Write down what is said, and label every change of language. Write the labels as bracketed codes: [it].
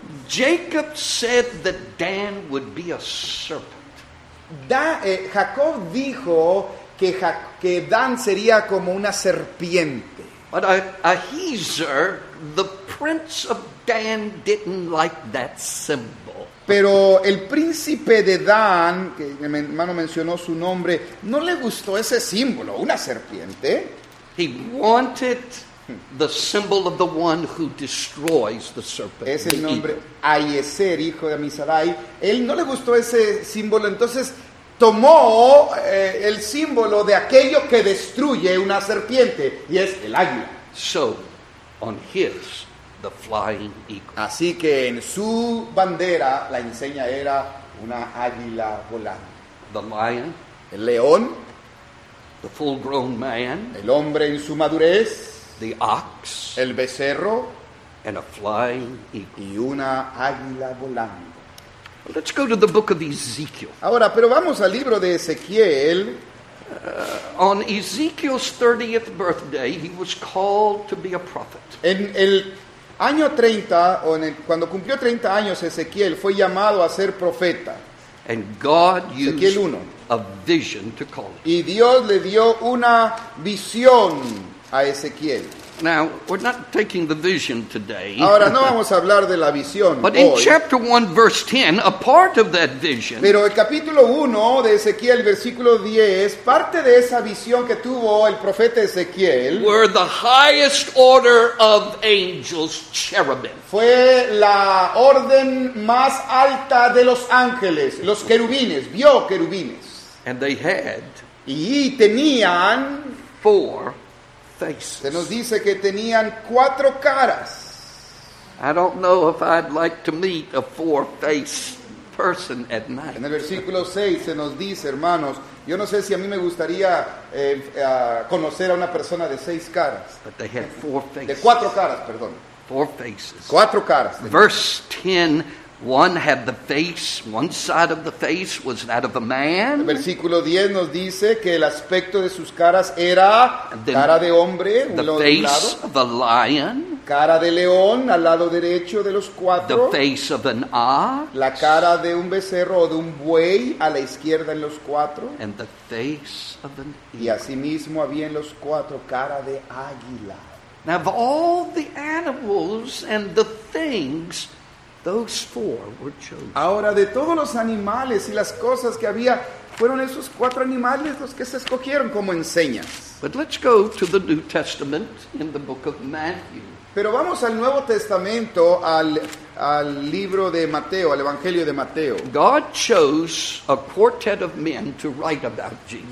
[en] Jacob said that Dan would be a serpent. [es] Jacob dijo que Dan sería como una serpiente. [en] But Ahiezer, the prince of Dan, didn't like that symbol. [es] Pero el príncipe de Dan, que mi hermano mencionó su nombre, no le gustó ese símbolo, una serpiente. [en] He wanted the symbol of the one who destroys the serpent. [es] Es el nombre Ahiezer, hijo de Amisadai. Él no le gustó ese símbolo, entonces tomó el símbolo de aquello que destruye una serpiente, y es el águila. [en] So, on his. The flying eagle. [es] Así que en su bandera la enseña era una águila volando. [en] The lion, [es] el león, [en] the full-grown man, [es] el hombre en su madurez, [en] the ox, [es] el becerro, [en] and a flying eagle. [es] Y una águila volando. [en] Let's go to the book of Ezekiel. [es] Ahora, pero vamos al libro de Ezequiel. [en] On Ezekiel's 30th birthday, he was called to be a prophet. [es] En el año 30, o en el, cuando cumplió 30 años Ezequiel, fue llamado a ser profeta. [en] And God [es] Ezequiel 1. [en] Used a vision to call him. [es] Y Dios le dio una visión a Ezequiel. [en] Now, we're not taking the vision today. [es] Ahora no vamos a hablar de la visión. [en] But [es] hoy. [en] In chapter 1, verse 10, a part of that vision. [es] Pero el capítulo 1 de Ezequiel, versículo 10, parte de esa visión que tuvo el profeta Ezequiel. [en] Were the highest order of angels, cherubim. [es] Fue la orden más alta de los ángeles, los querubines, vio querubines. [en] And they had. [es] Y tenían. [en] Four. Faces. [es] Se nos dice que tenían cuatro caras. [en] I don't know if I'd like to meet a four-faced person at night. [es] En el versículo 6 se nos dice, hermanos, yo no sé si a mí me gustaría conocer a una persona de seis caras. [en] But they had four faces. [es] De cuatro caras, perdón. [en] Four faces. [es] Cuatro caras. [en] Verse 10. One had the face, one side of the face was that of a man. [es] El versículo 10 nos dice que el aspecto de sus caras era cara de hombre, un lado. [en] The face of a lion. [es] Cara de león, al lado derecho de los cuatro. [en] The face of an ox. [es] La cara de un becerro o de un buey, a la izquierda en los cuatro. [en] And the face of an eagle. [es] Y asimismo había en los cuatro cara de águila. [en] Now of all the animals and the things, those four were chosen. [es] Ahora, de todos los animales y las cosas que había, fueron esos cuatro animales los que se escogieron como enseñas. [en] But let's go to the New Testament in the book of Matthew. [es] Pero vamos al Nuevo Testamento, al libro de Mateo, al Evangelio de Mateo. [en] God chose a quartet of men to write about Jesus.